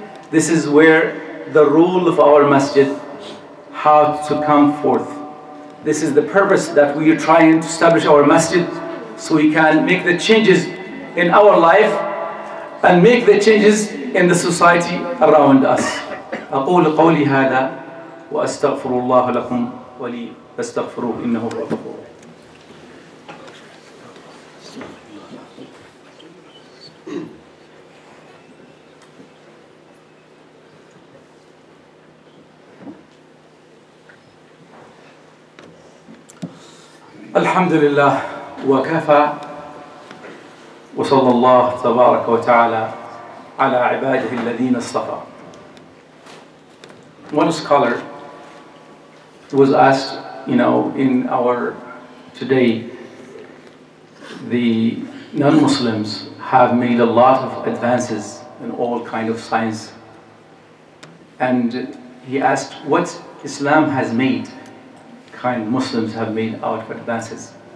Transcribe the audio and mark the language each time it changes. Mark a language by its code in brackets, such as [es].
[en] This is where the role of our masjid, how to come forth. This is the purpose that we are trying to establish our masjid, so we can make the changes in our life and make the changes in the society around us. [ar] أقول قولي هذا وأستغفر الله لكم ولي أستغفره إنه هو الغفور. الحمد لله وكفى وصلى الله تبارك وتعالى على عباده الذين اصطفى. [en] One scholar was asked, you know, in our today, the non-Muslims have made a lot of advances in all kind of science. And he asked, what Islam has made, kind Muslims have made out of advances.